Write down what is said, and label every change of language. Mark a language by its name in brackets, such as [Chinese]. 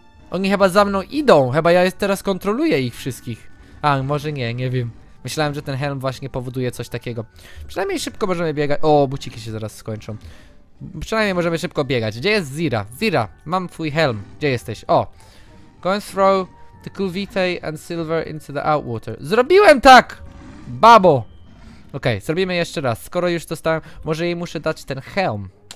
[Polish] Oni chyba za mną idą. Chyba ja teraz kontroluję ich wszystkich. A, może nie, nie wiem. Myślałem, że ten helm właśnie powoduje coś takiego. Przynajmniej szybko możemy biegać. O, buciki się zaraz skończą. Przynajmniej możemy szybko biegać. Gdzie jest Zira? Zira, mam twój helm. Gdzie jesteś? O. [English] Go and throw the Kuvitae and Silver into the Outwater. [Polish] Zrobiłem tak! Babo! Okej, zrobimy jeszcze raz. Skoro już dostałem, może jej muszę dać ten helm.